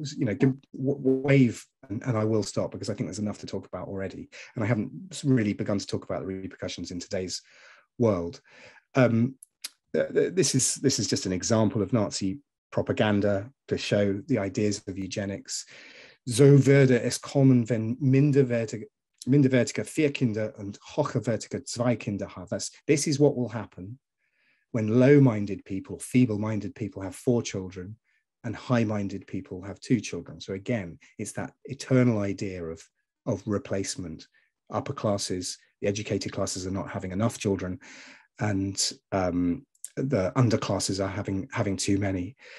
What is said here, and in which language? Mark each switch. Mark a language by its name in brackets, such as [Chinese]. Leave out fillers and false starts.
[English] You know, wave, and I will stop, because I think there's enough to talk about already, and I haven't really begun to talk about the repercussions in today's world. This is just an example of Nazi propaganda to show the ideas of eugenics. [German] So würde es kommen, wenn minderwertige vier Kinder und hochwertige zwei Kinder haben. [English] This is what will happen when low-minded people, feeble-minded people have four children and high-minded people have two children. So again, it's that eternal idea of replacement. Upper classes, the educated classes, are not having enough children, and the underclasses are having too many.